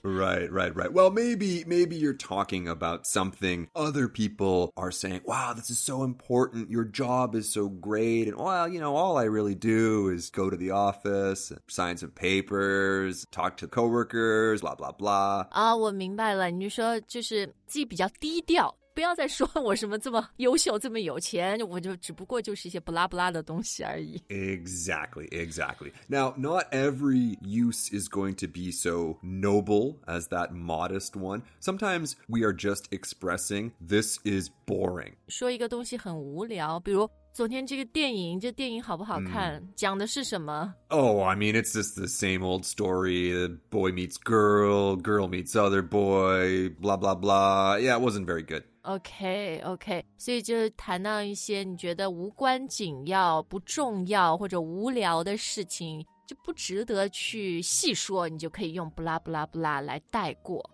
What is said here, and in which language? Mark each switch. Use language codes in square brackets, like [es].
[en] Right, right, right. Well, maybe you're talking about something other people are saying, wow, this is so important. Your job is so great. And well, you know, all I really do is go to the office, sign some papers, talk to coworkers, blah, blah, blah. [zh] 我明白了你就说就是自己比较低调不要再说我什么这么优秀这么有钱我就只不过就是一些 blah blah 的东西而已 [en] Exactly, exactly. Now, not every use is going to be so noble as that modest one. Sometimes we are just expressing this is boring. [zh] 说一个东西很无聊比如昨天这个电影这电影好不好看、讲的是什么 [en] Oh, I mean, it's just the same old story. Boy meets girl, girl meets other boy, blah blah blah. Yeah, it wasn't very good. [zh] OK, 所以就谈到一些你觉得无关紧要不重要或者无聊的事情就不值得去细说你就可以用 blah blah blah 来带过、